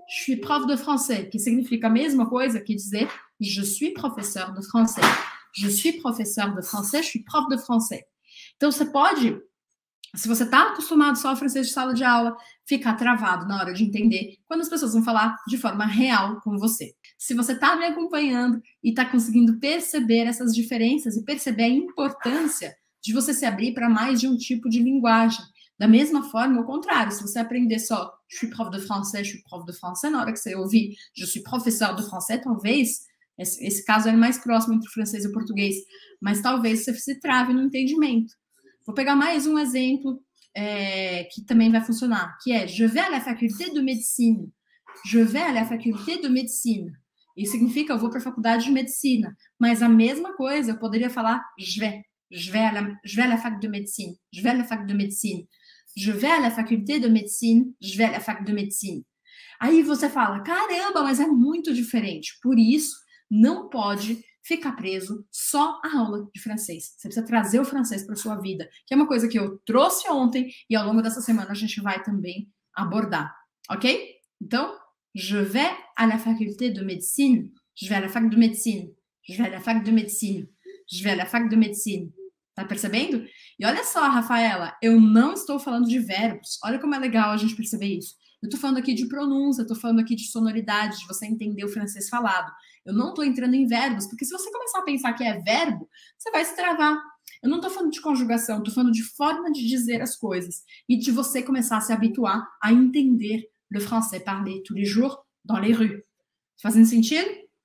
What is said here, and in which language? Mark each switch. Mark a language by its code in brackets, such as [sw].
[fr] Je suis prof de français, [pt] que significa a mesma coisa que dizer [fr] je suis professeur de français. Je suis professeur de français, je suis prof de français. [pt] Então, você pode, se você está acostumado só ao francês de sala de aula, ficar travado na hora de entender quando as pessoas vão falar de forma real com você. Se você está me acompanhando e está conseguindo perceber essas diferenças e perceber a importância de você se abrir para mais de um tipo de linguagem, da mesma forma, ao contrário, se você aprender só [fr] je suis prof de français, [pt] je suis prof de français, na hora que você ouvir [fr] je suis professeur de français, [pt] talvez, esse caso é mais próximo entre o francês e o português, mas talvez você se trave no entendimento. Vou pegar mais um exemplo que também vai funcionar, que é [fr] je vais à la faculté de médecine. Je vais à la faculté de médecine. [pt] Isso significa eu vou para a faculdade de medicina, mas a mesma coisa, eu poderia falar [fr] je vais. Je vais à la fac de médecine. Je vais à la fac de médecine. Je vais à la faculté de médecine. Je vais à la fac de médecine. [pt] Aí você fala, caramba, mas é muito diferente. Por isso, não pode ficar preso só à aula de francês. Você precisa trazer o francês para a sua vida, que é uma coisa que eu trouxe ontem e ao longo dessa semana a gente vai também abordar. Ok? Então, [fr] je vais à la faculté de médecine. Je vais à la fac de médecine. Je vais à la fac de médecine. Je vais à la fac de médecine. [pt] Tá percebendo? E olha só, Rafaela, eu não estou falando de verbos. Olha como é legal a gente perceber isso. Eu tô falando aqui de pronúncia, tô falando aqui de sonoridade, de você entender o francês falado. Eu não tô entrando em verbos, porque se você começar a pensar que é verbo, você vai se travar. Eu não tô falando de conjugação, tô falando de forma de dizer as coisas e de você começar a se habituar a entender [fr] le français parler tous les jours dans les rues. [pt] Fazendo sentido?